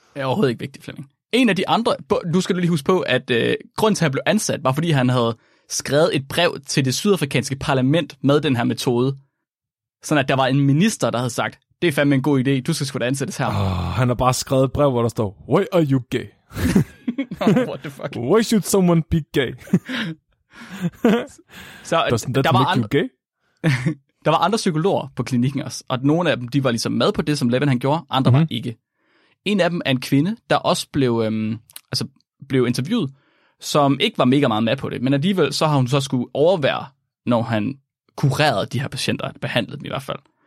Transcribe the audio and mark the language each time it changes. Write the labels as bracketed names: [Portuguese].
[Danish] Det er overhovedet ikke vigtigt, Flemming. En af de andre, nu skal du lige huske på, at grunden til, at han blev ansat, var fordi han havde skrevet et brev til det sydafrikanske parlament med den her metode. Sådan at der var en minister, der havde sagt, Det er fandme en god idé. Du skal sgu da ansættes her. Han har bare skrevet et brev, hvor der står, [English] why are you gay? What the fuck? Why should someone be gay? [Danish] Så, [English] doesn't that make you gay? [Danish] Der var andre psykologer på klinikken også, og nogle af dem, de var ligesom med på det, som Levin han gjorde, andre var ikke. En af dem er en kvinde, der også blev, blev interviewet, som ikke var mega meget med på det, men alligevel så har hun så skulle overvære, når han kurerede de her patienter, behandlede dem i hvert fald.